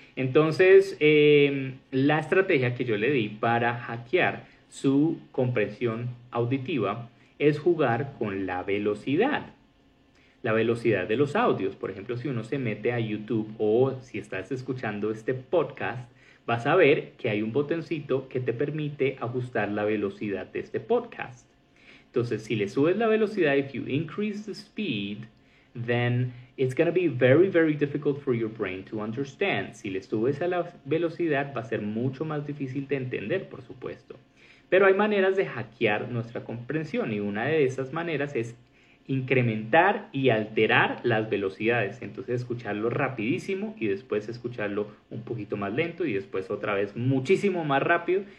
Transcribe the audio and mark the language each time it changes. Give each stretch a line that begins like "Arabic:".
Spanish: Entonces, la estrategia que yo le di para hackear su comprensión auditiva es jugar con la velocidad de los audios. Por ejemplo, si uno se mete a YouTube o si estás escuchando este podcast, vas a ver que hay un botoncito que te permite ajustar la velocidad de este podcast. Entonces, si le subes la velocidad,
English: if you increase the speed, then it's going to be very, very difficult for your brain to understand.
Spanish: Si le subes a la velocidad, va a ser mucho más difícil de entender, por supuesto. Pero hay maneras de hackear nuestra comprensión y una de esas maneras es incrementar y alterar las velocidades, entonces escucharlo rapidísimo y después escucharlo un poquito más lento y después otra vez muchísimo más rápido